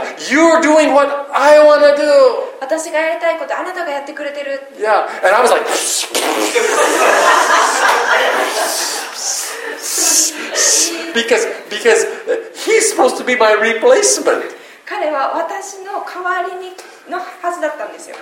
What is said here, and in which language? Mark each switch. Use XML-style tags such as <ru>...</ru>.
<en>You're doing what I want to do.</en> <ja>私がやりたいことあなたがやってくれてる。</ja> <en>Yeah, and I was like, because he's supposed to be my replacement.</en> <ja>彼は私の代わりにのはずだったんですよ。</ja>